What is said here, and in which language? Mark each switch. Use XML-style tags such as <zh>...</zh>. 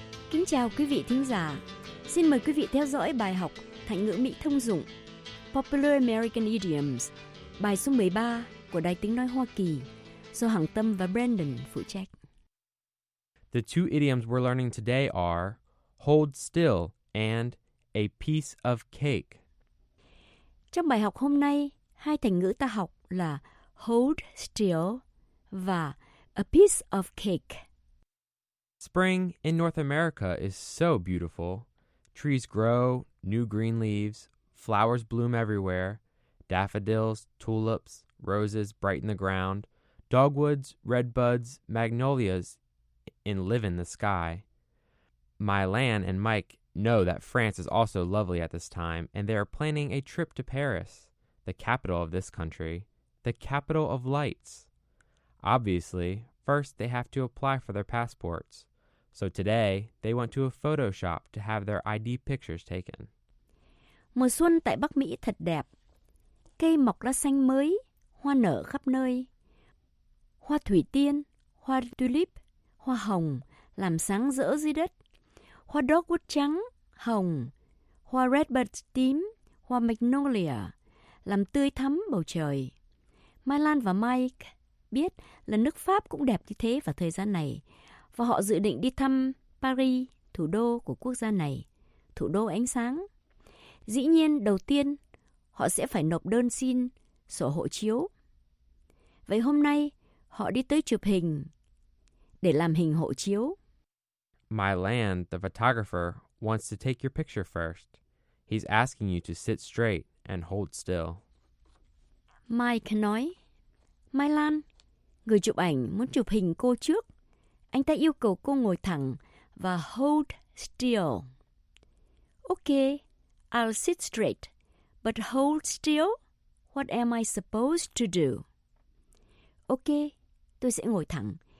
<vi>Kính chào quý vị thính giả. Xin mời quý vị theo dõi bài học thành ngữ Mỹ thông dụng</vi> <en>Popular American Idioms,</en> <vi>bài số 13 của Đài Tiếng Nói Hoa Kỳ do Hằng Tâm và Brandon phụ trách.</vi> <en>The two idioms we're learning today are hold still and a piece of cake.</en> <vi>Trong bài học hôm nay, hai thành ngữ ta học là</vi> <en>hold still</en> <vi>và</vi> <en>a piece of cake. Spring in North America is so beautiful. Trees grow, new green leaves, flowers bloom everywhere. Daffodils, tulips, roses brighten the ground. Dogwoods, red buds, magnolias and live in the sky. Mylan and Mike know that France is also lovely at this time, and they are planning a trip to Paris, the capital of this country, the capital of lights. Obviously, first they have to apply for their passports. So today, they went to a photo shop to have their ID pictures taken.</en> <vi>Mùa xuân tại Bắc Mỹ thật đẹp. Cây mọc lá xanh mới, hoa nở khắp nơi. Hoa thủy tiên, hoa tulip, hoa hồng làm sáng rỡ dưới đất. Hoa dogwood trắng, hồng, hoa redbud tím, hoa magnolia làm tươi thắm bầu trời. Mylan và Mike biết là nước Pháp cũng đẹp như thế vào thời gian này, và họ dự định đi thăm Paris, thủ đô của quốc gia này, thủ đô ánh sáng. Dĩ nhiên, đầu tiên, họ sẽ phải nộp đơn xin sổ hộ chiếu. Vậy hôm nay, họ đi tới chụp hình để làm hình hộ chiếu.</vi> <en>Mylan, the photographer, wants to take your picture first. He's asking you to sit straight and hold still.</en> <vi>Mike nói, Mylan, người chụp ảnh muốn chụp hình cô trước. Anh ta yêu cầu cô ngồi thẳng và</vi> <en>hold still. Okay, I'll sit straight. But hold still? What am I supposed to do? Okay,</en> <vi>tôi sẽ ngồi thẳng.</vi>